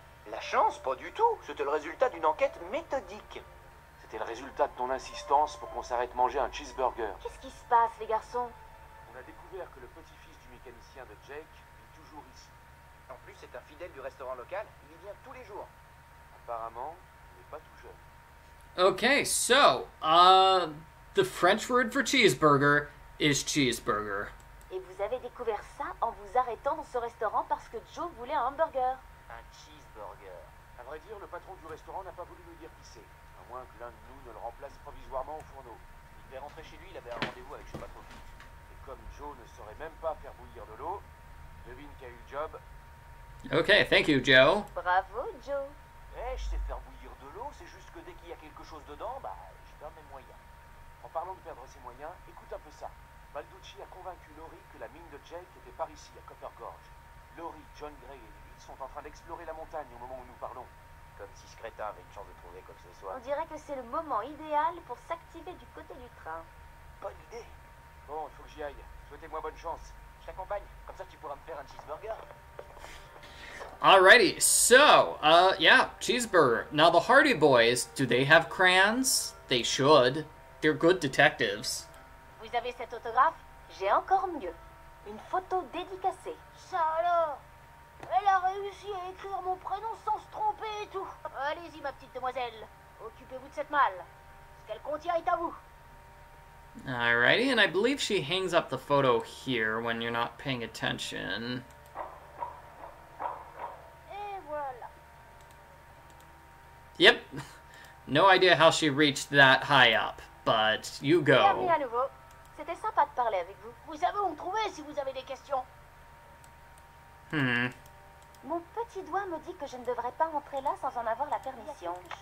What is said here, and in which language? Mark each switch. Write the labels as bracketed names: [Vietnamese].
[French] La chance, pas du tout. C'était le résultat d'une enquête méthodique. C'était le résultat de ton insistance pour qu'on s'arrête manger un cheeseburger. Qu'est-ce qui se passe, les garçons? On a découvert que le petit-fils du mécanicien de Jake vit toujours ici. En plus, c'est un fidèle du restaurant local. Il y vient tous les jours. Apparemment, il n'est pas tout jeune. [English] Okay, so, the French word for cheeseburger is cheeseburger. [French] Et vous avez découvert ça en vous arrêtant dans ce restaurant parce que Joe voulait un hamburger. Un cheeseburger. À vrai dire, le patron du restaurant n'a pas voulu nous dire qui c'est. À moins que l'un de nous ne le remplace provisoirement au fourneau. Il devait rentrer chez lui, il avait un rendez-vous avec je sais pas trop qui. Et comme Joe ne saurait même pas faire bouillir de l'eau, devine qui a eu le job. [English] Ok, thank you, Joe. [French] Bravo, Joe. Hey, je sais faire bouillir de l'eau, c'est juste que dès qu'il y a quelque chose dedans, bah, je perds mes moyens. En parlant de perdre ses moyens, écoute un peu ça. Balducci a convaincu Laurie que la mine de Jake était par ici, à Copper Gorge. Laurie, John Gray et lui sont en train d'explorer la montagne au moment où nous parlons. Comme si ce crétin avait une chance de trouver quoi que ce soit. On dirait que c'est le moment idéal pour s'activer du côté du train. Bonne idée. Bon, il faut que j'y aille. Souhaitez-moi bonne chance. Je t'accompagne. Comme ça, tu pourras me faire un cheeseburger. [English] Alrighty, so, yeah, cheeseburger. Now, the Hardy Boys, do they have crayons? They should. They're good detectives. [French] Vous avez cet autographe? J'ai encore mieux. Une photo dédicacée. Ça alors? Elle a réussi à écrire mon prénom sans se tromper et tout. Allez-y, ma petite demoiselle. Occupez-vous de cette malle. Ce qu'elle contient est à vous. [English] Alrighty, and I believe she hangs up the photo here when you're not paying attention. [French] Et voilà. [English] Yep. No idea how she reached that high up, but you go. [French] Bienvenue à nouveau. C'était sympa de parler avec vous. Vous savez où me trouver si vous avez des questions. Hmm. Mon petit doigt me dit que je ne devrais pas entrer là sans en avoir la permission.